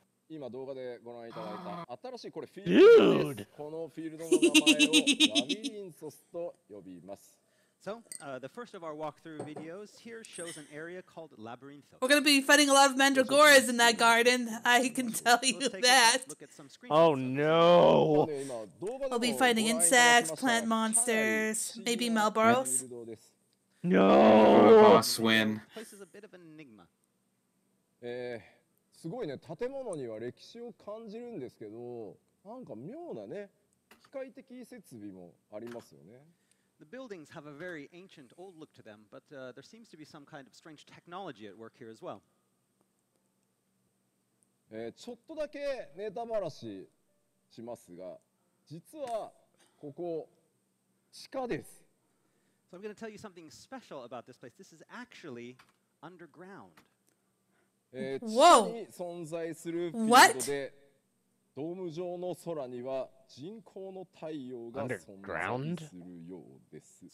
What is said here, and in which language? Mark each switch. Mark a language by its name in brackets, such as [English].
[Japanese] 今動画でご覧いただいた新しいこれフィールドです。このフィールドの名前をラビリンソスと呼びます。 [English] So, the first of our walkthrough videos here shows an area called Labyrinth. We're going to be fighting a lot of mandragoras in that garden. I can tell you that. Oh no! We'll be fighting insects, plant monsters, maybe Malboros. No! Boss win. This place is a bit of an enigma. [Japanese] すごいね、建物には歴史を感じるんですけど、なんか妙なね、機械的設備もありますよね。 [English] The buildings have a very ancient, old look to them, but there seems to be some kind of strange technology at work here as well. [Japanese] ちょっとだけネタバラシしますが、実はここ地下です。 [English] So I'm going to tell you something special about this place. This is actually underground. [Japanese] 地下に存在するフィールドで、ドーム状の空には人工の太陽が存在するようです。